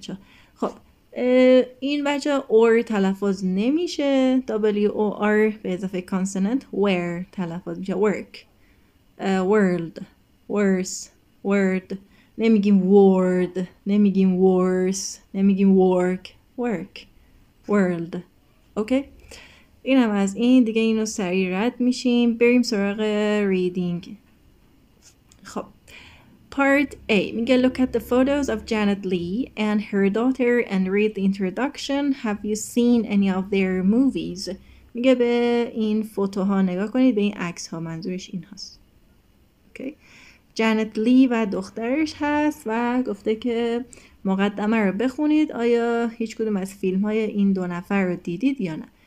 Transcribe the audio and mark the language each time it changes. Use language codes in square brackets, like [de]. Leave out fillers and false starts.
[fa] بچه خب این بچه اور تلفظ نمیشه، WOR به اضافه consonant where تلفظ میشه، [en] work world worse word. [fa] نمیگیم word، نمیگیم worse، نمیگیم work، work world. اوکی okay؟ این هم از این دیگه، اینو سریع رد میشیم بریم سراغ reading. [en] Part A. میگه look at the photos of Janet Leigh and her daughter and read the introduction. Have you seen any of their movies? [fa] میگه به این فوتوها نگاه کنید، به این عکس ها، منظورش این هست. [en] Okay. [fa] Janet Leigh و دخترش هست و گفته که مقدمه رو بخونید، آیا هیچ کدوم از فیلم های این دو نفر رو دیدید یا نه.